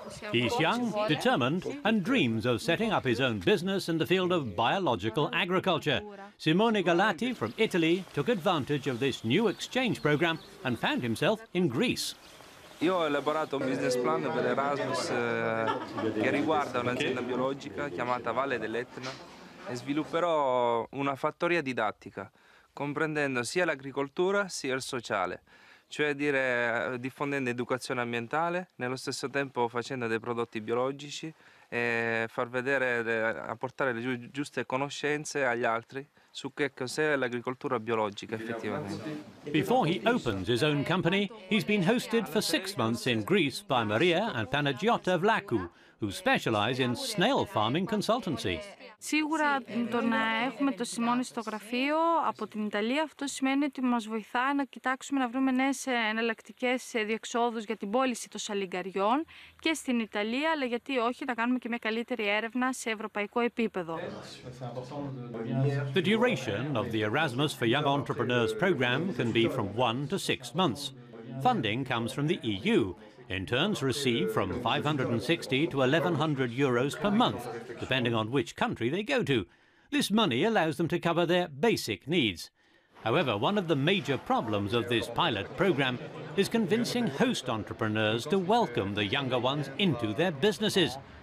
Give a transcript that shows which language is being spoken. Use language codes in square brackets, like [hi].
[en] He's young, determined, and dreams of setting up his own business in the field of biological agriculture. Simone Galati from Italy took advantage of this new exchange program and found himself in Greece. [it] Io ho elaborato un business plan per Erasmus che riguarda un'azienda biologica chiamata Valle dell'Etna e svilupperò una fattoria didattica comprendendo sia l'agricoltura sia il sociale. Cioè dire diffondendo educazione ambientale, nello stesso tempo facendo dei prodotti biologici e far vedere, a portare le giuste conoscenze agli altri su che cos'è l'agricoltura biologica effettivamente. [en] Before he opens his own company, he's been hosted for 6 months in Greece by Maria and Panagiotta Vlaku, who specialize in snail farming consultancy. [el] Σίγουρα το να έχουμε το Σιμόνι στο γραφείο από την Ιταλία, αυτό σημαίνει ότι μας βοηθά να κοιτάξουμε να βρούμε νέες εναλλακτικές διεξόδους για την πώληση των σαλιγκαριών και στην Ιταλία, αλλά γιατί όχι να κάνουμε και μια καλύτερη έρευνα σε ευρωπαϊκό επίπεδο. [en] The duration of the Erasmus for Young Entrepreneurs program can be from 1 to 6 months. Funding comes from the EU. Interns receive from 560 to 1100 euros per month, depending on which country they go to. This money allows them to cover their basic needs. However, one of the major problems of this pilot program is convincing host entrepreneurs to welcome the younger ones into their businesses.